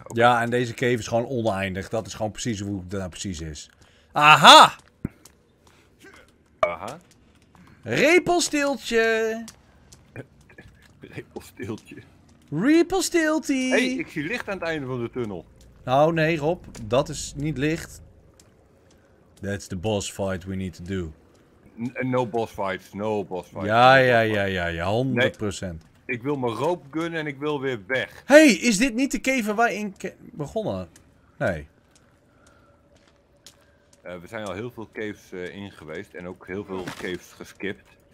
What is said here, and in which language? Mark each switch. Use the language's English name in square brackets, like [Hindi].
[Dutch] Okay. Ja, en deze cave is gewoon oneindig. Dat is gewoon precies hoe het nou precies is. Aha! Aha. Repelsteeltje. Repelsteeltje. Repelsteeltie. Hé, ik zie licht aan het einde van de tunnel. Nou, nee, Rob. Dat is niet licht. [English] That's the boss fight we need to do. No boss fights. [Dutch] Ja. 100%. Nee, ik wil mijn rope gunnen en ik wil weer weg. Hé, is dit niet de cave waar we in begonnen? Nee. We zijn al heel veel caves in geweest en ook heel veel caves geskipt.